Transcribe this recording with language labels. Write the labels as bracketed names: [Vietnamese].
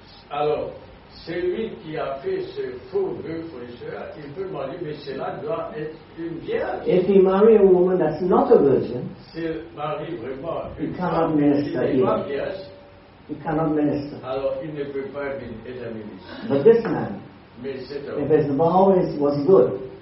[French] Alors, celui qui a fait ce faux vœu prêcheur, il peut marier, mais cela doit être une vierge. [English] If he marry a woman that's not a virgin, [French] s'il marie vraiment [English] he cannot minister either. Vierge, he cannot minister. [French] Alors, il ne peut pas être un ministre. [English] But this man, if his vow was good,